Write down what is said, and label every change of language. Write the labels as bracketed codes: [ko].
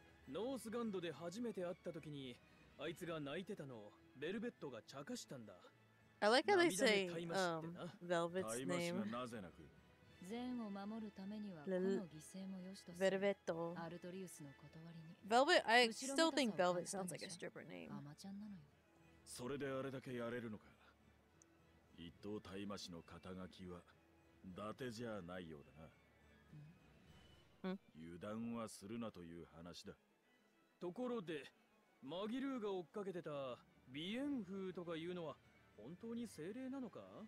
[ja] ノースガンドで初めて会った時に、あいつが泣いてたのをベルベットが茶化したんだ。 [en] I like how they say, Velvet's name. [ja] 大魔使がなぜ泣く。善を守るためにはこの犠牲も良しとする。ベルベット。アルトリウスの断りに。 [en] Velvet, I still think Velvet sounds like a stripper name. [ja] ママちゃんなのよ。それであれだけやれるのか。一等大魔使の肩書きは。伊達じゃないようだな。油断はするなという話だ。ところで、マギルーが追っかけてたビエンフーとかいうのは本当に精霊なのか？